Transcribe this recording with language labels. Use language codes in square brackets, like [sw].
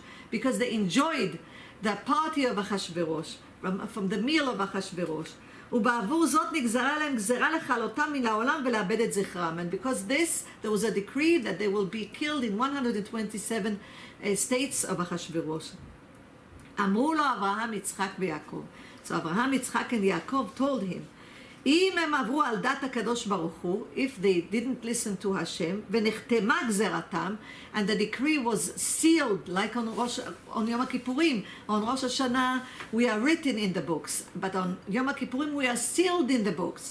[en] Because they enjoyed the party of Ahasuerus, from the meal of Ahasuerus. [he] ובעבור זאת נגזרה להם גזרה לחלותם מן העולם ולאבד את זכרם. [en] And because this, there was a decree that they will be killed in 127 states of Ahasuerus. [he] אמרו לו אברהם, יצחק ויעקב. [en] So אברהם, יצחק and יעקב told him, [he] אם הם עברו על דת הקדוש ברוך הוא, [en] if they didn't listen to Hashem, [he] ונחתמה גזרתם, [en] and the decree was sealed, like on Yom HaKippurim, on Rosh Hashanah, we are written in the books, but on Yom HaKippurim, we are sealed in the books.